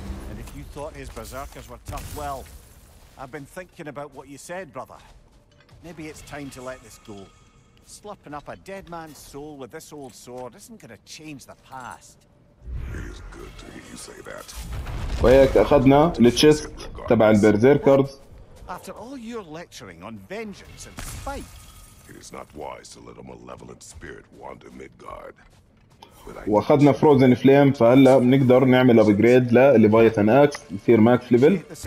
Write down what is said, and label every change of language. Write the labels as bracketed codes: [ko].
[en] And if you thought his berserkers were tough, well, I've been thinking about what you said, brother. Maybe it's time to let this go. Slurping up a dead man's soul with this old sword isn't going to change the past. It is good to hear you say that. [ar] وهيك اخذنا التشيست تبع البرزيركرز. [en] After all your lecturing on vengeance and spite, it is not wise to let a malevolent spirit wander Midgard. [ar] واخذنا فروزن فليم، فهلا بنقدر نعمل ابجريد لليفايثان اكس، يصير ماكس ليفل.